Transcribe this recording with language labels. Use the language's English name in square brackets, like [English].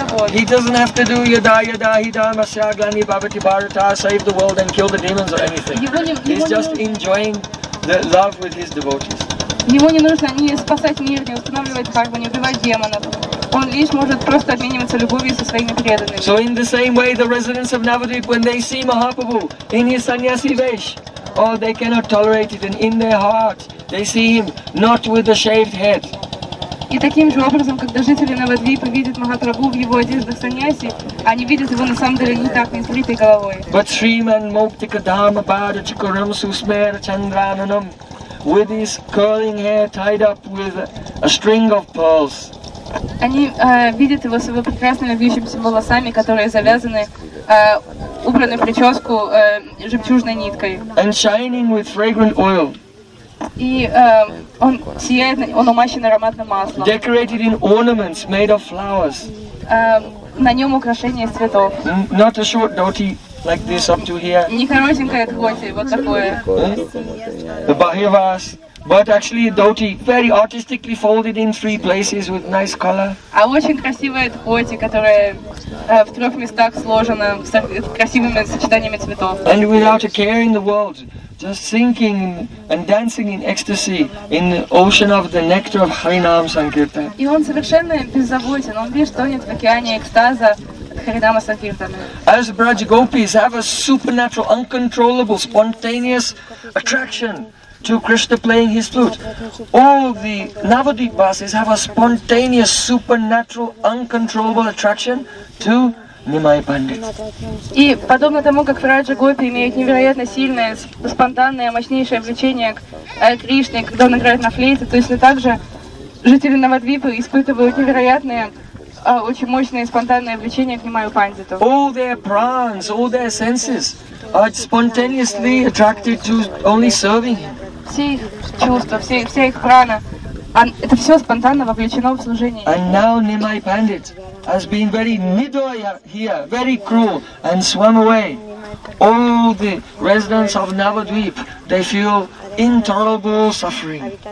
[English] He doesn't have to do [Sanskrit] yada yada hida masya glani bhavati bharata, [English] save the world and kill the demons or anything. He's just enjoying the love with his devotees. [Russian] Ему не нужно ни спасать мир, ни устанавливать карму, ни убивать демонов. Он лишь может просто обмениваться любовью со своими преданными. [English] So in the same way, the residents of Navadvip, when they see Mahaprabhu in his sannyasi vesh, oh, they cannot tolerate it, and in their heart, they see him not with a shaved head. [Russian] И таким же образом, когда жители Навадвипа видят Махапрабху в его одеждах саньяси, они видят его на самом деле не так, не с бритой головой. [English] But [Sanskrit] Sriman Moktika Dharma Pada Chikaram Susmera Chandrananam, [English] with his curling hair tied up with a string of pearls. [Russian] Они видят его с его прекрасными вьющимися волосами, которые завязаны, убраны в прическу жемчужной ниткой. [English] And shining with fragrant oil. [Russian] И он сияет, он умащен ароматным маслом. [English] Decorated in ornaments made of flowers. [Russian] На нем украшения из цветов. [English] Not a short dhoti like this up to here. [Russian] Не коротенькое дхоти, вот такое. [English] The bahivas, but actually a dhoti, very artistically folded in three places with nice color. [Russian] А очень красивое дхоти, которое в трех местах сложено с красивыми сочетаниями цветов. [English] And without a care in the world, just sinking and dancing in ecstasy in the ocean of the nectar of Harinam Sankirtan. [Russian] И он совершенно беззаботен, он лишь тонет в океане экстаза Харинама Санкиртана. [English] As Braj Gopis have a supernatural, uncontrollable, spontaneous attraction to Krishna playing his flute, all the Navadvipvasis have a spontaneous, supernatural, uncontrollable attraction to Nimai Pandit. [Russian] И подобно тому, как Враджа Гопи имеет невероятно сильное, спонтанное, мощнейшее влечение к Кришне, когда он играет на флейте, точно так же жители Навадвипы испытывают невероятное, очень мощное, спонтанное влечение к Nimai Pandit. [English] All their prans, all their senses are spontaneously attracted to only serving him. [Russian] Все их чувства, все их прана, это все спонтанно вовлечено в служение. [English] And now Nimai Pandit has been very Nirdoy here, very cruel, and swam away. All the residents of Navadvip, they feel intolerable suffering.